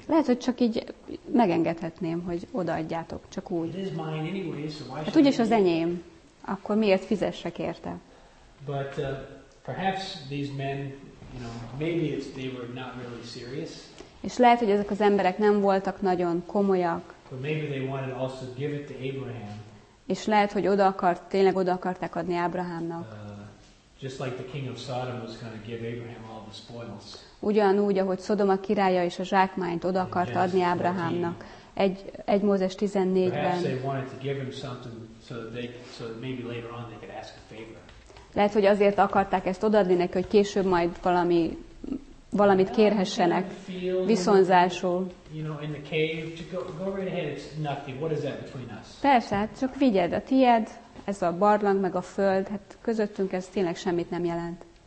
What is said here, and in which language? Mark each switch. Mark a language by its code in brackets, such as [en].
[hu] Lehet, hogy csak így megengedhetném, hogy odaadjátok, csak úgy. [en] It is mine anyway, so why [hu] hát úgyis az enyém. Akkor miért fizessek érte? [en] But perhaps these men, you know, maybe it's, they were not really serious. [hu] És lehet, hogy ezek az emberek nem voltak nagyon komolyak. [en] But maybe they wanted also to give it to Abraham. [hu] És lehet, hogy tényleg oda akarták adni Ábrahámnak. [en] Just like the king of Sodom was going to give Abraham all the spoils. [hu] Ugyanúgy, ahogy Szodoma királya és a zsákmányt oda akart adni Ábrahámnak. Egy Mózes 14-ben. [en] Perhaps they wanted to give him something so that maybe later on they could ask a favor. [hu] Lehet, hogy azért akarták ezt odaadni neki, hogy később majd valamit kérhessenek viszonzásul. [en] You know, in the cave, go right ahead, it's nothing. What is that between us? [hu] Persze, hát csak vigyed a tied. Ez a barlang, meg a föld, hát közöttünk ez tényleg semmit nem jelent.